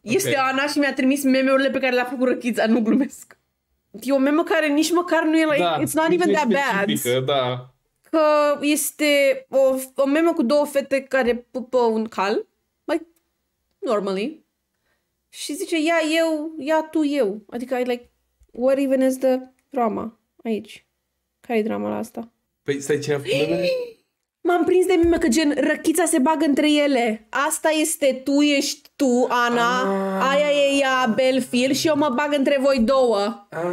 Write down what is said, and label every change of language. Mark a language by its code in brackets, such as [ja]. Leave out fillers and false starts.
[ro] Este Ana și mi-a trimis meme-urile pe care le-a făcut Răchița. Nu glumesc. E o memă care nici măcar nu e la... Da, [en] it's not even that bad. [ro] Da. Că este o memă cu două fete care pupă un cal. [en] Like, normally. [ro] Și zice, ia eu, ia tu eu. [en] Adică, like, what even is the drama? [ro] Aici. Care-i drama la asta? Păi stai ce-a făcut? M-am prins de mime că gen Răchița se bagă între ele. Asta este tu, ești tu, Ana. Aia e ea, Belfil, și eu mă bag între voi două.